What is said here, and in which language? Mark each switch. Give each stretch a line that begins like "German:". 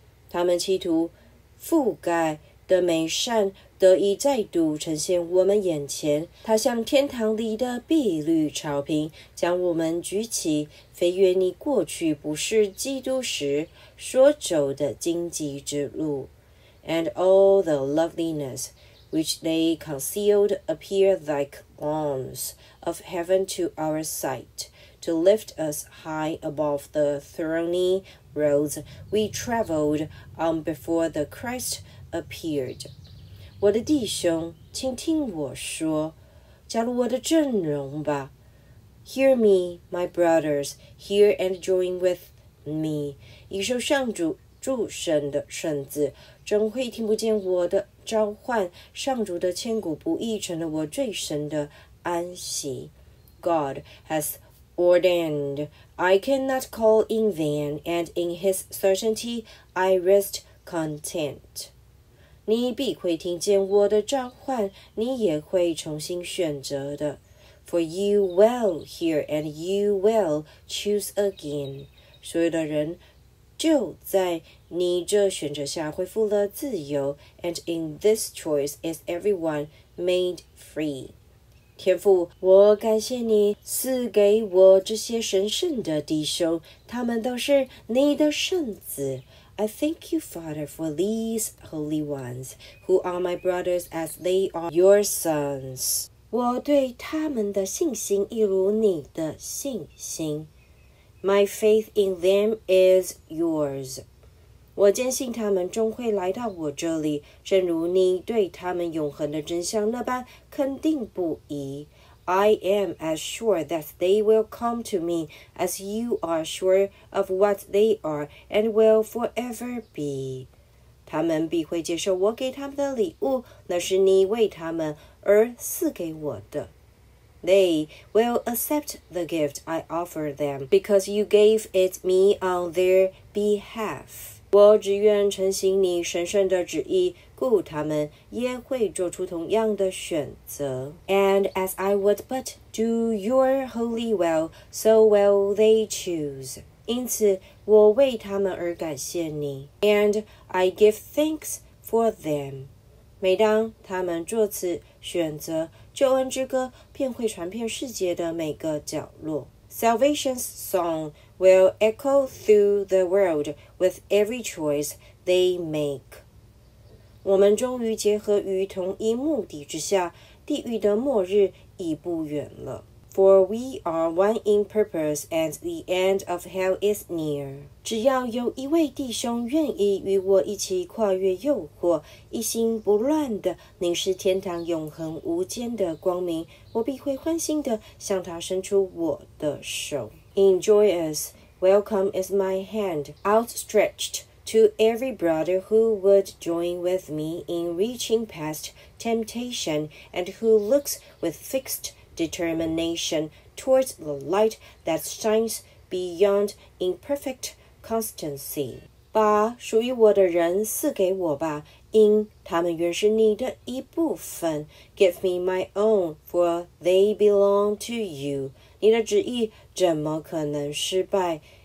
Chinese: 他们企图覆盖的美善得以再度呈现我们眼前。它像天堂里的碧绿草坪，将我们举起，飞越你过去不是基督时所走的荆棘之路。
English: And all the loveliness which they concealed appear like lawns of heaven to our sight, to lift us high above the thorny roads we traveled on before the Christ appeared.
Chinese: 我的弟兄，请听我说，加入我的阵容吧。
English: Hear me, my brothers, hear and join with me.
Chinese: 以受上主祝神的圣子，怎会听不见我的召唤？上主的千古不易成了我最深的安息。
English: God has ordained, I cannot call in vain, and in his certainty I rest content.
Chinese: 你必会听见我的召唤，你也会重新选择的。
English: For you will hear and you will choose again.
Chinese: 所有的人就在你这选择下恢复了自由，
English: and in this choice is everyone made free.
Chinese: 天父，我感谢你赐给我这些神圣的弟兄，他们都是你的圣子。
English: I thank you, Father, for these holy ones, who are my brothers as they are your sons.
Chinese: 我对他们的信心一如你的信心。
English: My faith in them is yours.
Chinese: 我坚信他们终会来到我这里，正如你对他们永恒的真相那般肯定不移。
English: I am as sure that they will come to me as you are sure of what they are and will forever be.
Chinese: 他们必会接受我给他们的礼物，那是你为他们而赐给我的。
English: They will accept the gift I offer them because you gave it me on their behalf.
Chinese: 我只愿承行你神圣的旨意，故他们也会做出同样的选择。
English: And as I would but do your holy will, so will they choose.
Chinese: 因此我为他们而感谢你。
English: And I give thanks for them.
Chinese: 每当他们做此选择，救恩之歌便会传遍世界的每个角落。
English: Salvation's song will echo through the world with every choice they make.
Chinese: 我们终于结合于同一目的之下，地狱的末日已不远了。
English: For we are one in purpose and the end of hell is near.
Chinese: 只要有一位弟兄愿意与我一起跨越诱惑，一心不乱地凝视天堂永恒无间的光明，我必会欢欣地向他伸出我的手。
English: In joyous welcome is my hand outstretched to every brother who would join with me in reaching past temptation and who looks with fixed determination towards the light that shines beyond imperfect constancy.
Chinese: 把属于我的人赐给我吧，因他们原是你的一部分。
English: Give me my own, for they belong to you.
Chinese: 你的旨意怎么可能失败？